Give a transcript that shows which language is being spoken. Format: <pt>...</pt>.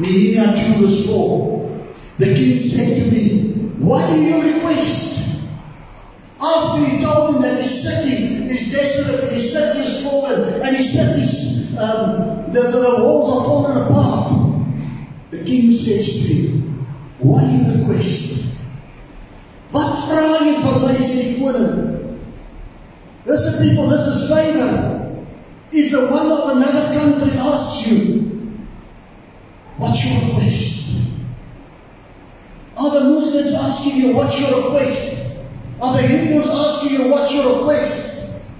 <en>Nehemiah 2 verse 4. The king said to me, what do you request? After he told him that his city is desolate, and his city is fallen, and his city is, the walls are falling apart. The king says to him, what do you request?</en> <af>Wat vra jy van my, sê die koning?</af> <en>Listen people, this is favor. If the one of another country asks you, what's your request? Are the Muslims asking you what's your request? Are the Hindus asking you what's your request?</en>